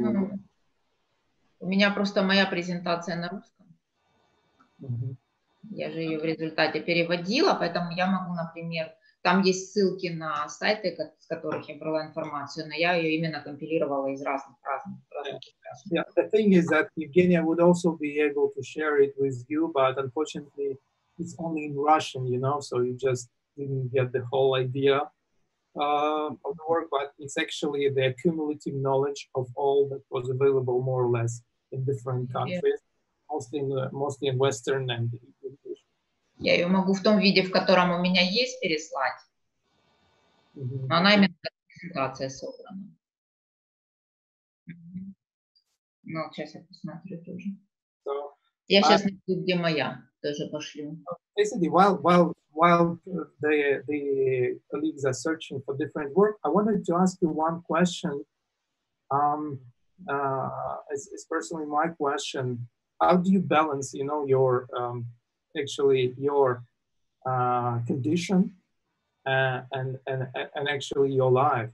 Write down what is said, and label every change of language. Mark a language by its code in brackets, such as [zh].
[ru] будет? У меня просто моя презентация на русском. Я же ее в результате переводила, поэтому я могу, например, там есть ссылки на сайты, с которых я брала информацию, но я ее именно компилировала из разных. [en] Yeah, the thing is that Evgenia would also be able to share it with you, but unfortunately, it's only in Russian, you know, so you just didn't get the whole idea of the work, but it's actually the accumulative knowledge of all that was available more or less in different countries, mostly in Western and English. [ru] Я ее могу в том виде, в котором у меня есть, переслать. Но она именно презентация собрана. Ну, сейчас я посмотрю тоже. [en] So, [ru] я сейчас найду, где моя, тоже пошлю. [en] Basically, while the colleagues are searching for different work, I wanted to ask you one question. It's personally my question. How do you balance, you know, your condition and actually your life?